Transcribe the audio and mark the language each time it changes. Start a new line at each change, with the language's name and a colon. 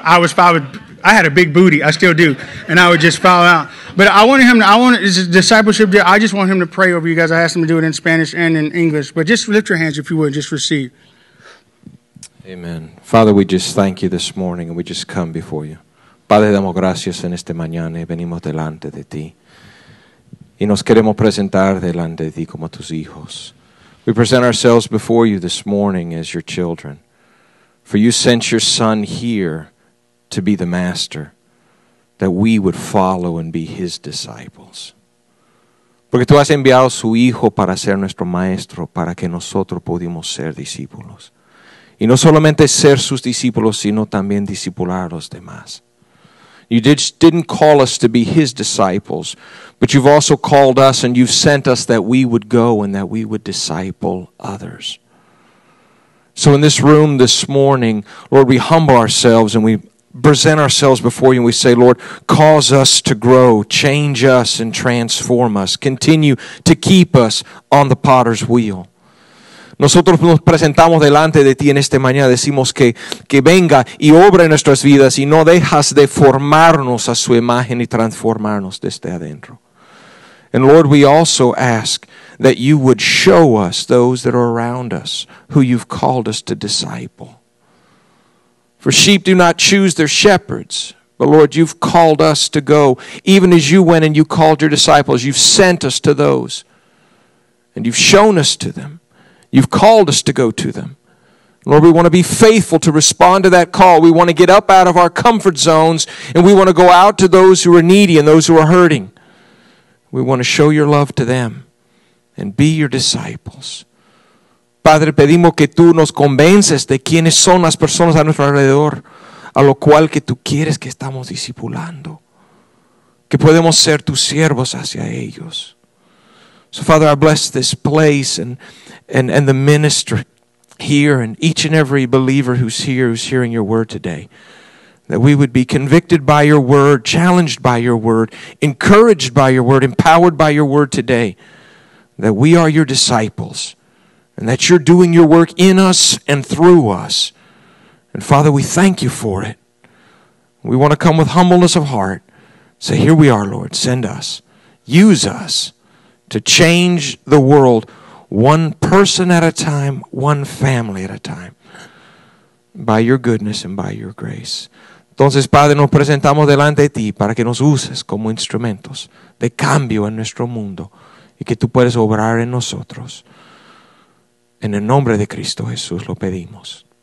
English: I had a big booty. I still do. And I would just foul out. But this is discipleship deal. I just want him to pray over you guys. I asked him to do it in Spanish and in English. But just lift your hands if you would. Just receive. Amen. Father, we just thank you this morning and we just come before you.
Spanish: Padre, damos gracias en este mañana y venimos delante de ti. Y nos queremos presentar delante de ti como tus hijos.
English: We present ourselves before you this morning as your children. For you sent your son here to be the master, that we would follow and be his disciples.
Spanish: Porque tú has enviado su hijo para ser nuestro maestro, para que nosotros podamos ser discípulos. Y no solamente ser sus discípulos, sino también discipular los demás.
English: You didn't call us to be his disciples, but you've also called us and you've sent us that we would go and that we would disciple others. So in this room this morning, Lord, we humble ourselves and we present ourselves before you and we say, Lord, cause us to grow, change us and transform us, continue to keep us on the potter's wheel.
Spanish: Nosotros nos presentamos delante de ti en esta mañana, decimos que venga y obra en nuestras vidas y no dejas de formarnos a su imagen y transformarnos desde adentro.
English: And Lord, we also ask that you would show us those that are around us who you've called us to disciple. For sheep do not choose their shepherds, but Lord, you've called us to go, even as you went and you called your disciples. You've sent us to those, and you've shown us to them. You've called us to go to them. Lord, we want to be faithful to respond to that call. We want to get up out of our comfort zones, and we want to go out to those who are needy and those who are hurting. We want to show your love to them and be your disciples.
Spanish: Padre, pedimos que tú nos convences de quiénes son las personas a nuestro alrededor, a lo cual que tú quieres que estamos discipulando, que podemos ser tus siervos hacia ellos.
English: So, Father, I bless this place and the ministry here and each and every believer who's here, who's hearing your word today, that we would be convicted by your word, challenged by your word, encouraged by your word, empowered by your word today, that we are your disciples, and that you're doing your work in us and through us. And Father, we thank you for it. We want to come with humbleness of heart. Say, here we are, Lord, send us. Use us to change the world one person at a time, one family at a time, by your goodness and by your grace.
Spanish: Entonces, Padre, nos presentamos delante de ti para que nos uses como instrumentos de cambio en nuestro mundo y que tú puedas obrar en nosotros. En el nombre de Cristo Jesús lo pedimos.